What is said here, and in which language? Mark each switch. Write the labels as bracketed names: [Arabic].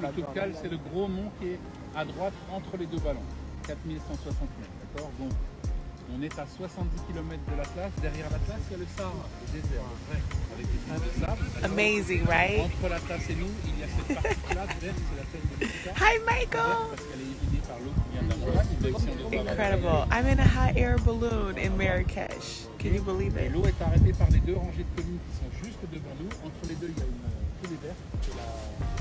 [French] Le Toubkal, c'est le gros mont qui est à droite entre les deux ballons, 4160 mètres, d'accord. Donc, on est à 70 km de l'Atlas. Derrière l'Atlas, il y a le Sahara, le désert, avec des dunes de sable. [English] Amazing, right? [French] Entre l'Atlas et nous, il y a cette partie plate verte, c'est la chaîne de [English] Tishka. Hi, Michael. [French] Parce qu'elle est éliminée par l'eau qui vient de la montagne. [English] Incredible. I'm in a hot air balloon in Marrakech. Can you believe it? [French] L'eau est arrêtée par les deux rangées de collines qui sont juste devant nous. Entre les deux, il y a une coulée verte.